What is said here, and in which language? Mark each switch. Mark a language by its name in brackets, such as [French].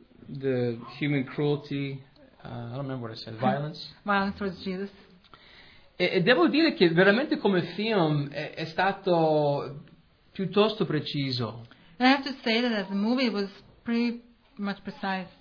[English] The human cruelty, I don't remember what I said, violence. Violence towards Jesus. [Italian] E devo dire che veramente come film è stato piuttosto preciso. [English] And I have to say that the movie was pretty much precise.